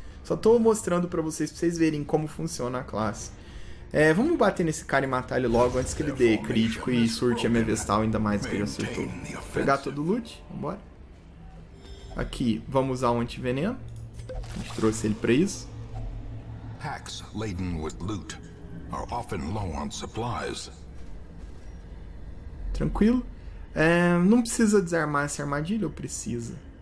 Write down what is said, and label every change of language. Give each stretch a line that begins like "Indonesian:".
Portuguese: Só tô mostrando pra vocês verem como funciona a classe. É, vamos bater nesse cara e matar ele logo antes que ele dê crítico e surte a minha Vestal, ainda mais que ele acertou. Pegar todo o loot, vambora. Aqui, vamos usar o antiveneno. A gente trouxe ele pra isso.
English: Packs laden with loot are often low on supplies.
Portuguese: Tranquilo. É, não precisa desarmar essa armadilha ou precisa?